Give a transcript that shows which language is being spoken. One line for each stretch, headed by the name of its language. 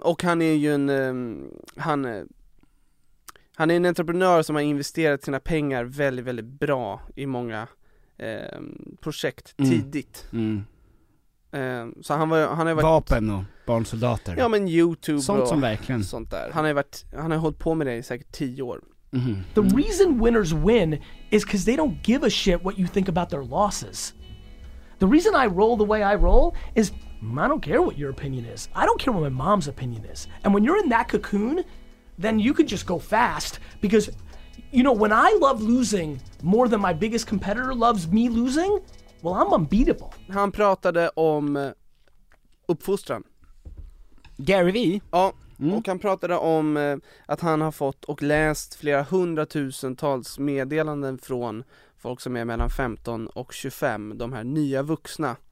Swedish: Och han är ju en, han är en entreprenör som har investerat sina pengar väldigt, väldigt bra i många projekt tidigt. Mm. Mm. Så han var, han har varit vapen och barnsoldater. Ja, men YouTube sånt och som verkligen sånt där. Han har varit, han har hållit på med det i säkert 10 år. Mm-hmm.
English: The reason winners win is because they don't give a shit what you think about their losses. The reason I roll the way I roll is I don't care what your opinion is. I don't care what my mom's opinion is. And when you're in that cocoon, then you could just go fast because you know, when I love losing more than my biggest competitor loves me losing, well, I'm unbeatable.
Swedish: Han pratade om uppfostran. Gary Vee? Ja, mm. Och han pratade om att han har fått och läst flera hundratusentals meddelanden från folk som är mellan 15 och 25, de här nya vuxna.